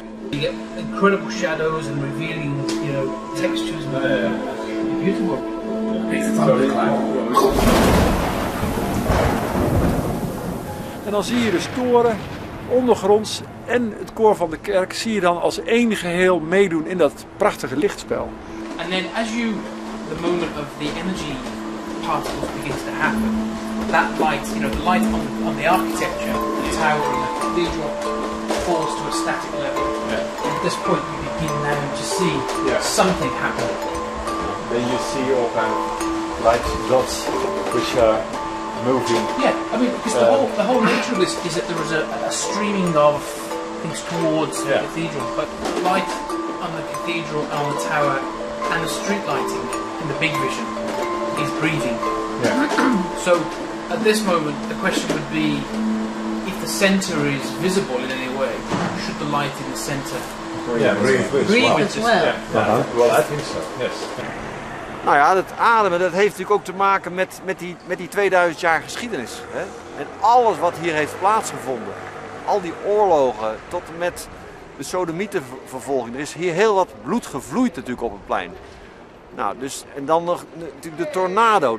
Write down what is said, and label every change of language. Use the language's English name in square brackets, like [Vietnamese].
[Dutch] Je krijgt [English] incredible shadows and revealing, textures. Beautiful. It's totally cool. [Dutch] En dan zie je dus toren, ondergronds en het koor van de kerk zie je dan als één geheel meedoen in dat prachtige lichtspel. [English] And then as you the moment of the energy particles begins to happen, that light, you know, the light on the architecture, the tower and the cathedral falls to a static level. Yeah. At this point you begin now to see something happen. Then you see all kind of light dots which are moving. Yeah, I mean, because the whole nature of this is that there is a streaming of things towards the cathedral, but light on the cathedral and on the tower and the street lighting in the big vision is breathing. Yeah. So at this moment, the question would be, if the centre is visible in any way, should the light in the centre breathe as well? Yeah. Yeah. Well, I think so. Yes. [Dutch] Nou ja, dat ademen, dat heeft natuurlijk ook te maken met die 2000 jaar geschiedenis. Hè? En alles wat hier heeft plaatsgevonden. Al die oorlogen tot en met de sodomietenvervolging. Er is hier heel wat bloed gevloeid natuurlijk op het plein. Nou, dus, en dan nog natuurlijk de tornado.